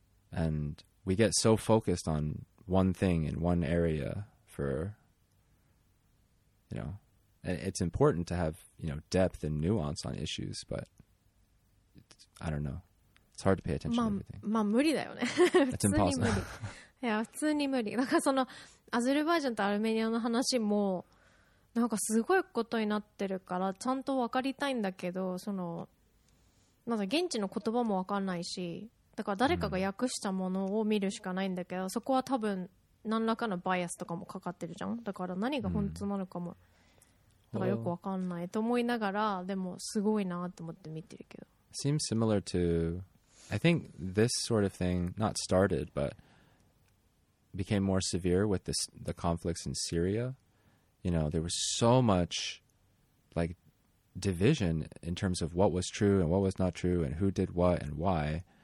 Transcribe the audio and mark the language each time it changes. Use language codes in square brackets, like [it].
[en] And we get so focused on one thing in one area for, you know, and it's important to have, you know, depth and nuance on issues, but it's, I don't know. It's hard to pay attention to everything. [ja] まあ無理だよね。 [en] It's impossible. [ja] いや普通に無理。なんかそのアゼルバイジャンとアルメニアの話もなんかすごいことになってるから、ちゃんと分かりたいんだけど、そのなんか現地の言葉も分かんないし、だから誰かが訳したものを見るしかないんだけど、そこは多分何らかのバイアスとかもかかってるじゃん。だから何が本当なのかもだからよく分かんないと思いながら、でもすごいなと思って見てるけど。 [en] Seems similar to I think this sort of thing not started butbecame more severe with this, the conflicts in Syria. You know, there was so much like division in terms of what was true and what was not true and who did what and why.